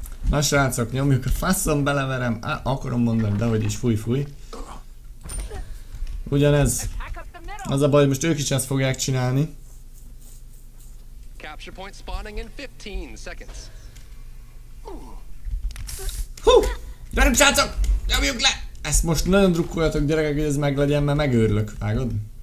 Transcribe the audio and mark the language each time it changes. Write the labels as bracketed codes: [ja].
[hu] Na srácok, nyomjuk a faszon, beleverem. Á, akarom mondani, de hogy is, fúj fúj. Ugyanez. Az a baj, hogy most ők is ezt fogják csinálni. [en] Capture point spawning in 15 seconds. [hu] Hú! Gyerünk, srácok! Nyomjuk le! Ezt most nagyon drukkoljatok, gyerekek, hogy ez meglegyen, mert megőrülök, vágod?